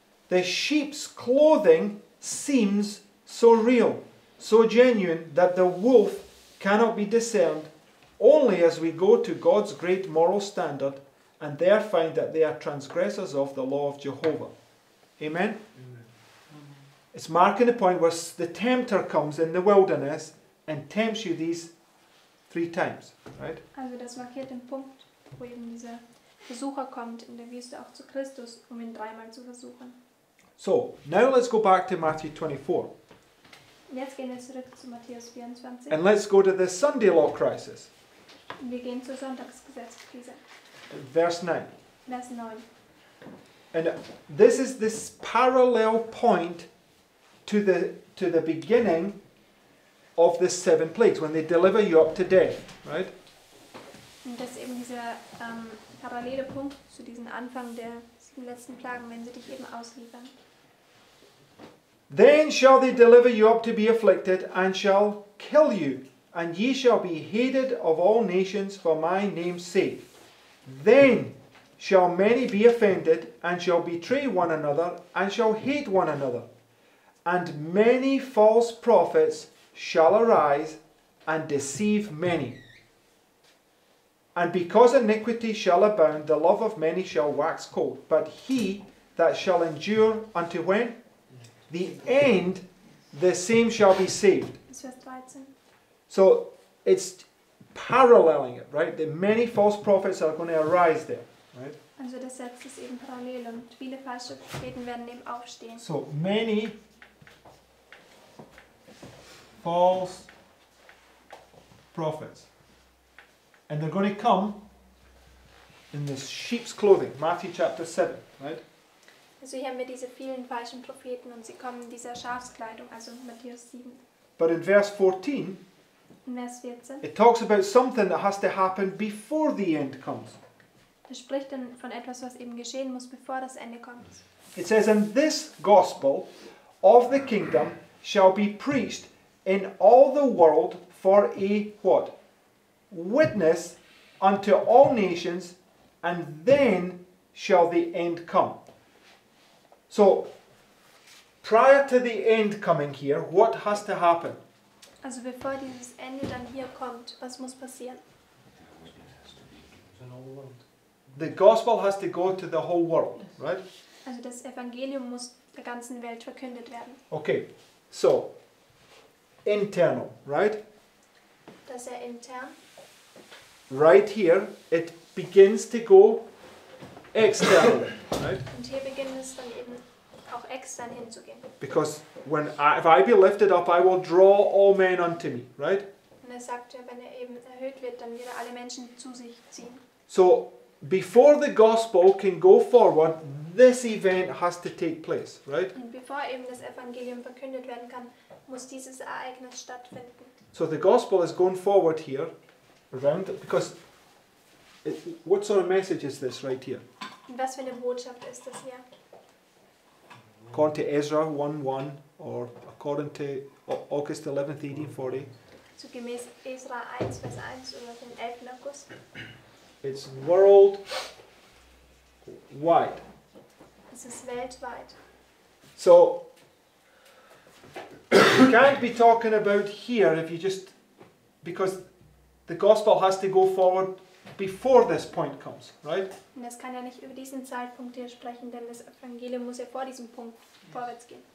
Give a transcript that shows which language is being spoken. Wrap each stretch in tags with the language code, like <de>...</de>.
<en>The sheep's clothing seems so real, so genuine, that the wolf cannot be discerned only as we go to God's great moral standard and there find that they are transgressors of the law of Jehovah. Amen? Amen. It's marking the point where the tempter comes in the wilderness and tempts you these three times, right?</en> <de>Also das markiert den Punkt, wo eben dieser Versucher kommt in der Wüste auch zu Christus, um ihn dreimal zu versuchen.</de> <en>So, now let's go back to Matthew 24.</en> <de>Jetzt gehen wir zurück zu Matthäus 24.</de> <en>And let's go to the Sunday law crisis.</en> <de>Wir gehen zur Sonntagsgesetzkrise.</de> <en>Verse 9. And this is this parallel point to the beginning of the seven plagues when they deliver you up to death, right?</en> <de>Und das ist eben dieser parallele Punkt zu diesem Anfang der sieben letzten Plagen, wenn sie dich eben ausliefern.</de> <en>Then shall they deliver you up to be afflicted, and shall kill you, and ye shall be hated of all nations for my name's sake. Then shall many be offended, and shall betray one another, and shall hate one another. And many false prophets shall arise and deceive many. And because iniquity shall abound, the love of many shall wax cold. But he that shall endure unto when? The end, the same shall be saved. So it's paralleling it, right? The many false prophets are going to arise there, right?</en> <de>Also das setzt es eben parallel und viele falsche Propheten werden eben aufstehen.</de> <en>So many false prophets. And they're going to come in this sheep's clothing, Matthew chapter 7, right?</en> <de>Also hier haben wir diese vielen falschen Propheten und sie kommen in dieser Schafskleidung, also Matthäus 7.</de> <en>But in verse 14,</en> <de>in Vers 14,</de> <en>it talks about something that has to happen before the end comes.</en> <de>Es spricht dann von etwas, was eben geschehen muss, bevor das Ende kommt.</de> <en>It says, and this gospel of the kingdom shall be preached in all the world for a what? Witness unto all nations, and then shall the end come. So, prior to the end coming here, what has to happen?</en> <de>Also bevor dieses Ende dann hier kommt, was muss passieren?</de> <en>The gospel has to go to the whole world, right?</en> <de>Also das Evangelium muss der ganzen Welt verkündet werden.</de> <en>Okay, so, internal, right?</en> <de>Das ist intern.</de> <en>Right here, it begins to go externally, right?</en> <de>Und hier beginnt es dann eben auch extern hinzugehen.</de> <en>Because when if I be lifted up, I will draw all men unto me, right?</en> <de>Und er sagt ja, wenn eben erhöht wird, dann wird alle Menschen zu sich ziehen.</de> <en>So, before the gospel can go forward, this event has to take place, right?</en> <de>Und bevor eben das Evangelium verkündet werden kann, muss dieses Ereignis stattfinden.</de> <en>So the gospel is going forward here, around, because What sort of message is this right here?</en> <de>Was für eine Botschaft ist das hier?</de> <en>According to Ezra 1:1 or according to August 11th, 1840.</en> <de>So gemäß Ezra 1, Vers 1 oder den 11. August.</de> <en>It's worldwide.</en> <de>Es ist weltweit.</de> <en>So, you can't be talking about here if you just, because the gospel has to go forward before this point comes, right?</en> <de>Und es kann ja nicht über diesen Zeitpunkt hier sprechen, denn das Evangelium muss ja vor diesem Punkt vorwärts gehen.</de>